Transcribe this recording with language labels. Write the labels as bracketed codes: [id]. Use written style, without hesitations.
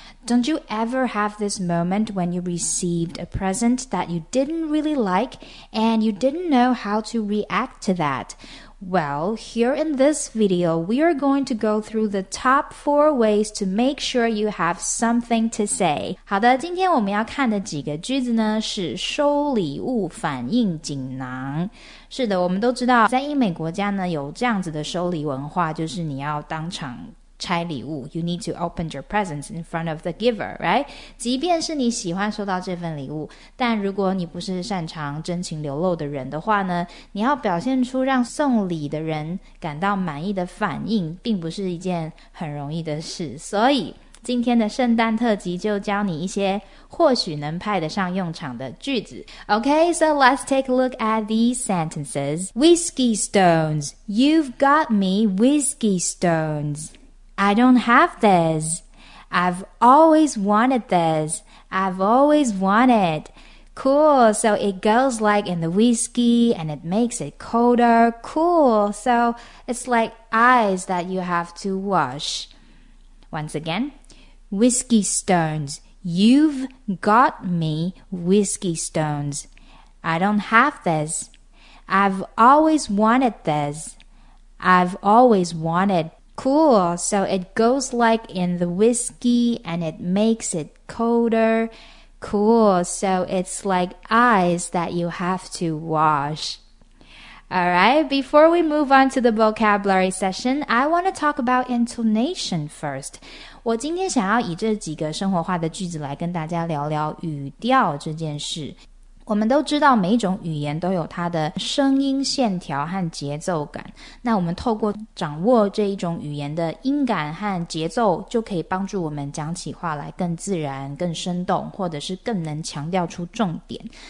[en] Don't you ever have this moment when you received a present that you didn't really like and you didn't know how to react to that? Well, here in this video, we are going to go through the top 4 ways to make sure you have something to say. [zh] 好的，今天我们要看的几个句子呢，是收礼物反应锦囊。是的，我们都知道，在英美国家呢，有这样子的收礼文化，就是你要当场拆礼物， [en] you need to open your presents in front of the giver, right? [zh] 即便是你喜欢收到这份礼物，但如果你不是擅长真情流露的人的话呢，你要表现出让送礼的人感到满意的反应，并不是一件很容易的事。所以今天的圣诞特辑就教你一些或许能派得上用场的句子。 [en] Okay, so let's take a look at these sentences. Whiskey stones, you've got me whiskey stones. I don't have this. I've always wanted this. I've always wanted. Cool. So it goes like in the whiskey and it makes it colder. Cool. So it's like ice that you have to wash. Once again, whiskey stones. You've got me whiskey stones. I don't have this. I've always wanted this. I've always wanted. Cool. So it goes like in the whiskey and it makes it colder. Cool. So it's like eyes that you have to wash. All right. Before we move on to the vocabulary session, I want to talk about intonation first. [zh] 我今天想要以这几个生活化的句子来跟大家聊聊语调这件事。我们都知道每一种语言都有它的声音线条和节奏感，那我们透过掌握这一种语言的音感和节奏，就可以帮助我们讲起话来更自然、更生动，或者是更能强调出重点。